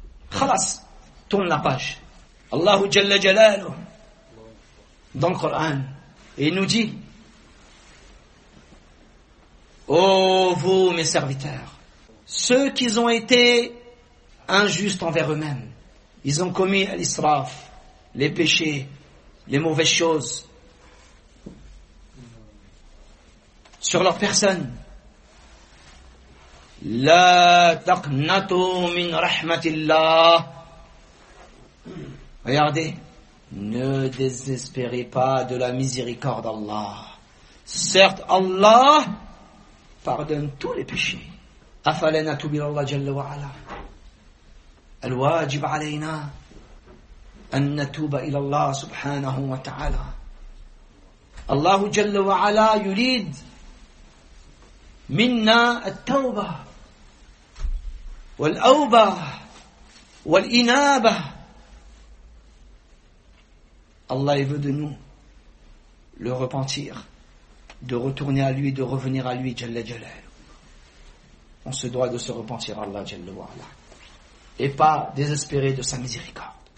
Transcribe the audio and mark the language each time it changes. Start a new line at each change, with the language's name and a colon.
French: Khalas, tourne la page. Allahu Jalla Jalalu, dans le Coran, il nous dit, ô vous, mes serviteurs, ceux qui ont été injustes envers eux-mêmes, ils ont commis l'israf, les péchés, les mauvaises choses, sur leur personne,
Arabic: لا تقنطوا من رحمة الله.
French: Regardez. Ne désespérez pas de la miséricorde d'Allah. Certes, Allah pardonne tous les péchés.
Arabic: أفلنا توب إلى الله جل وعلا. الواجب علينا أن نتوب إلى الله سبحانه وتعالى. الله جل وعلا يريد منا التوبة والأوبة والإنابة. الله يريد
French: de nous le repentir, de retourner à lui, de revenir à lui
Arabic: جل جلاله.
French: On se doit de se repentir à Allah Jalla wa Ala et pas désespérer de sa miséricorde.